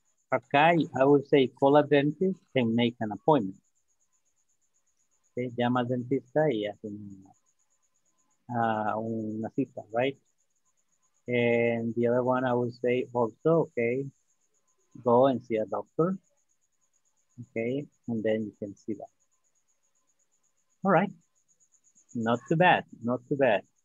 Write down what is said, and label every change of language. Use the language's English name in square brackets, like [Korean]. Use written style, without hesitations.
[English] Okay, I would say call a dentist and make an appointment. [Spanish] Okay, llama al dentista y hace una cita, right? [English] And the other one I would say also, okay, go and see a doctor. Okay, and then you can see that. All right, not too bad, not too bad.